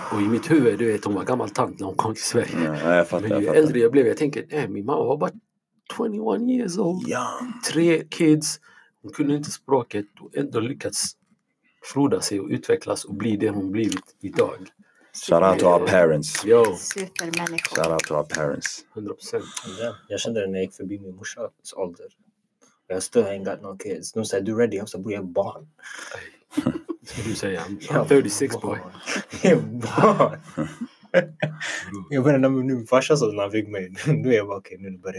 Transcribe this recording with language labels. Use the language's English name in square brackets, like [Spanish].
[Swedish] Och i mitt huvud, du vet, hon var gammal tant när hon kom till Sverige. Ja, jag fattar, men ju jag äldre jag blev, jag tänker, min mamma var bara 21 [English] years old. [Swedish] Ja. [English] 3 kids. [Swedish] Hon kunde inte språket och ändå lyckats froda sig och utvecklas och bli det hon blivit idag. Super. [English] Shout out to our parents. Yo. [Swedish] Supermänniskor. [English] Shout out to our parents. 100%. Yeah. [Swedish] Jag kände när jag gick förbi min morsas ålder. Jag [English] still ain't got no kids. [Swedish] De säger, du är ready, jag ska bli en barn. Du säger, [English] I'm 36, boy. [Swedish] Barn. Jag menar, när min farsa sa när han fick mig, nu är jag bara, okej, nu börjar